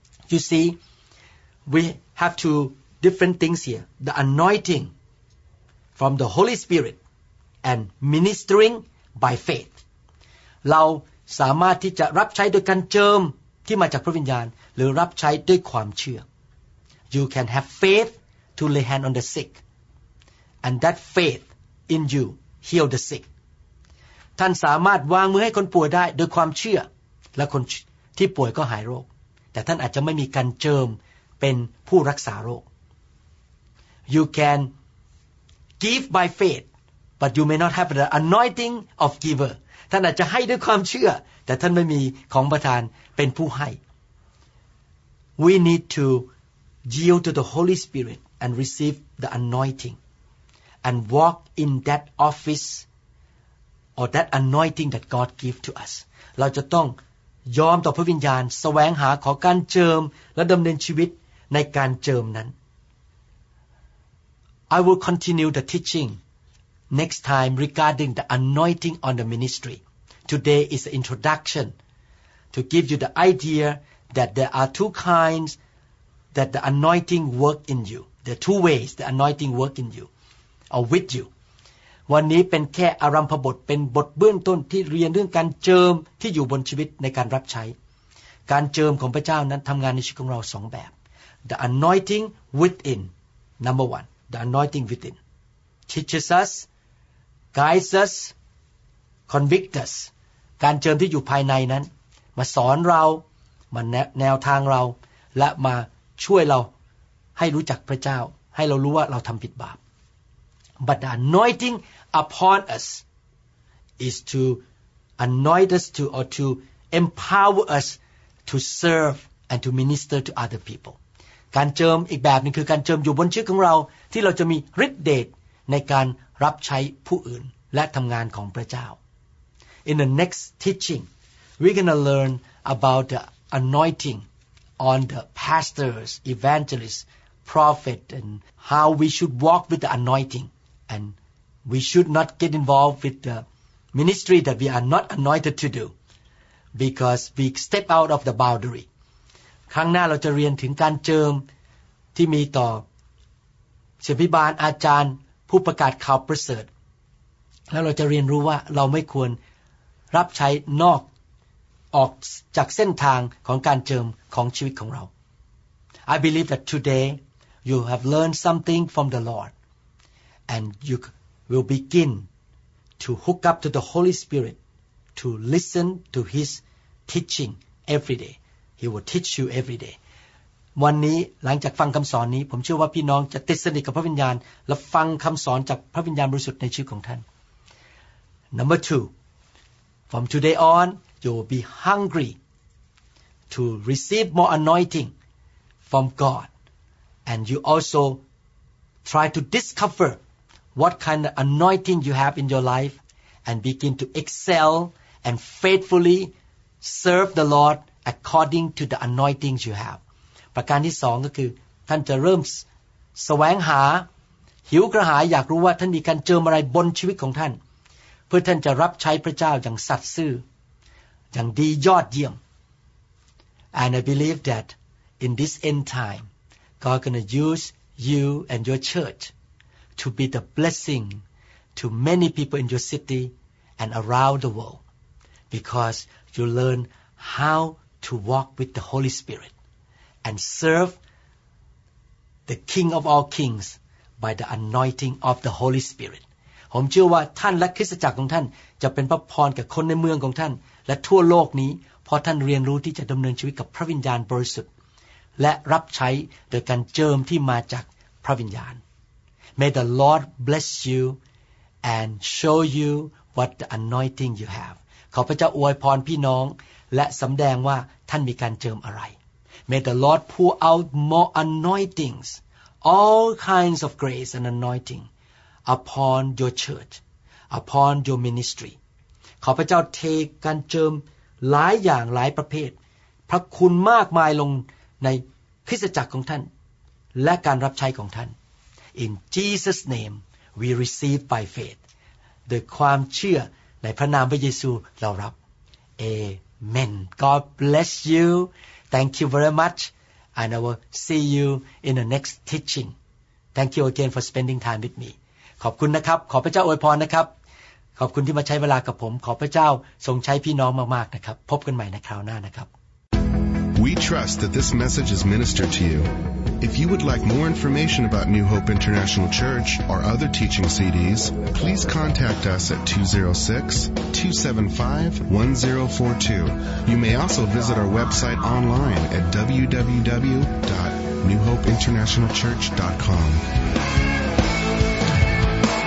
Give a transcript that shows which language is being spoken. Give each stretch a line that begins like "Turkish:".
English: You see we have two different things here the anointing from the Holy Spirit and ministering by faith
Thai: เราสามารถที่จะรับใช้โดยการเจิมที่มาจากพระวิญญาณหรือรับใช้ด้วยความเชื่อ
English: you can have faith to lay hand on the sick, and that faith in you heal the sick.
Thai: ท่านสามารถวางมือให้คนป่วยได้โดยความเชื่อและคนที่ป่วยก็หายโรคแต่ท่านอาจจะไม่มีการเจิมเป็นผู้รักษาโรค
English: You can give by faith, but you may not have the anointing of giver.
Thai: ท่านอาจจะให้ด้วยความเชื่อแต่ท่านไม่มีของประทานเป็นผู้ให้
English: We need to yield to the Holy Spirit and receive the anointing and walk in that office or that anointing that God gives to us.
Thai: เราจะต้องยอมต่อพระวิญญาณแสวงหาขอการเจิมและดำเนินชีวิตในการเจิมนั้น
English: I will continue the teaching next time regarding the anointing on the ministry. Today is the introduction to give you the idea. That there are two kinds that the anointing work in you. There are two ways the anointing work in you or with you.
Thai: วันนี้เป็นแค่อารัมภบทเป็นบทเบื้องต้นที่เรียนเรื่องการเจิมที่อยู่บนชีวิตในการรับใช้การเจิมของพระเจ้านั้นทำงานในชีวิตของเราสองแบบ
English: The anointing within, number one. The anointing within teaches us, guides us, convicts us.
Thai: การเจิมที่อยู่ภายในนั้นมาสอนเรามาแนวทางเราและมาช่วยเราให้รู้จักพระเจ้าให้เรารู้ว่าเราทำผิดบาป
English: But the anointing upon us is to anoint us to or to empower us to serve and to minister to other people
Thai: การเจิมอีกแบบนึงคือการเจิมอยู่บนชีวิตของเราที่เราจะมีฤทธิ์เดชในการรับใช้ผู้อื่นและทำงานของพระเจ้า
English: In the next teaching we're going to learn about theAnointing on the pastors, evangelists, prophet, and how we should walk with the anointing, and we should not get involved with the ministry that we are not anointed to do, because we step out of the boundary.
Thai: ครั้งหน้าเราจะเรียนถึงการเจิมที่มีต่อศิษย์ภิบาลอาจารย์ผู้ประกาศข่าวประเสริฐแล้วเราจะเรียนรู้ว่าเราไม่ควรรับใช้นอกออกจากเส้นทางของการเจิมของชีวิตของเรา
English: I believe that today you have learned something from the Lord and you will begin to hook up to the Holy Spirit to listen to His teaching every day. He will teach you every day.
Thai: วันนี้หลังจากฟังคำสอนนี้ผมเชื่อว่าพี่น้องจะติดสนิทกับพระวิญญาณและฟังคำสอนจากพระวิญญาณบริสุทธิ์ในชีวิตของท่าน
English: Number two, from today onYou will be hungry to receive more anointing from God. And you also try to discover what kind of anointing you have in your life and begin to excel and faithfully serve the Lord according to the anointing you have.
Thai: ประการที่สองก็คือท่านจะเริ่มแสวงหาหิวกระหายอยากรู้ว่าท่านมีการเจิมอะไรบนชีวิตของท่านเพื่อท่านจะรับใช้พระเจ้าอย่างสัตย์ซื่ออย่างดียอดเยี่ยม
English: and I believe that in this end time God gonna use you and your church to be the blessing to many people in your city and around the world because you learn how to walk with the Holy Spirit and serve the King of all kings by the anointing of the Holy Spirit
Thai: ผมเชื่อว่าท่านและคริสตจักรของท่านจะเป็นพระพรแก่คนในเมืองของท่านและทั่วโลกนี้พอท่านเรียนรู้ที่จะดำเนินชีวิตกับพระวิญญาณบริสุทธิ์และรับใช้โดยการเจิมที่มาจากพระวิญญาณ
English: May the Lord bless you and show you what the anointing you have
Thai: ขอพระเจ้าอวยพรพี่น้องและสำแดงว่าท่านมีการเจิมอะไร
English: May the Lord pour out more anointings all kinds of grace and anointing upon your church upon your ministry
Thai: ขอพระเจ้าเทการเจิมหลายอย่างหลายประเภทพระคุณมากมายลงในคริสตจักรของท่านและการรับใช้ของท่าน
English: In Jesus name we receive by faith
Thai: ด้วยความเชื่อในพระนามพระเยซูเรารับ
English: Amen God bless you Thank you very much and I will see you in the next teaching Thank you again for spending time with me
Thai: ขอบคุณนะครับขอพระเจ้าอวยพรนะครับขอบคุณที่มาใช้เวลากับผมขอพระเจ้าทรงใช้พี่น้องมากๆนะครับพบกันใหม่ในคราวหน้านะครับ
English: We trust that this message is ministered to you. If you would like more information about New Hope International Church or other teaching CDs, please contact us at 206-275-1042. You may also visit our website online at www.newhopeinternationalchurch.com.